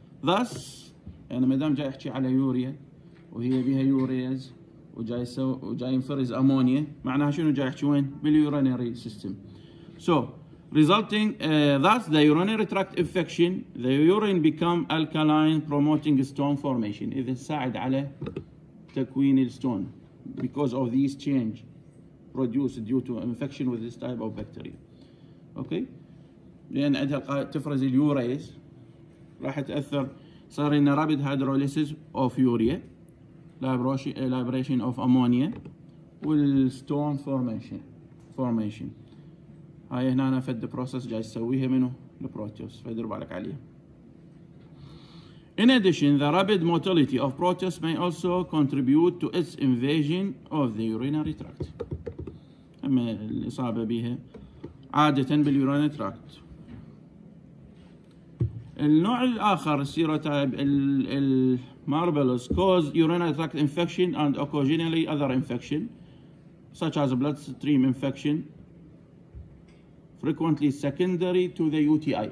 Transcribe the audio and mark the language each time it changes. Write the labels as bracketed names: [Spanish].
[Arabic] Thus, أنا مدام جاي أحكي على يوريا وهي بها يوريز وجاي ينفرز أمونيا معناها شنو جاي أحكي وين؟ باليورينري سيستم. [English] So, resulting, thus the urinary tract infection, the urine become alkaline promoting stone formation. [Arabic] إذا ساعد على تكوين الستون [English] because of these change produced due to infection with this type of bacteria. [Arabic] Okay? لأن عندها تفرز اليوريز راح تأثر صار لنا [English] rapid hydrolysis of urea, liberation of ammonia [Arabic] وال [English] stone formation. [Arabic] هاي هنا أنا فد بروسس جاي تسويها منه البروتيوس فيدر بالك عليها. [English] In addition, the rapid motility of proteus may also contribute to its invasion of the urinary tract. [Arabic] أما الإصابة بها عادة بال [English] urinary tract. [Arabic] النوع الآخر سيروتايب المارفلوس [English] cause urinary tract infection and occasionally other infection such as bloodstream infection frequently secondary to the UTI.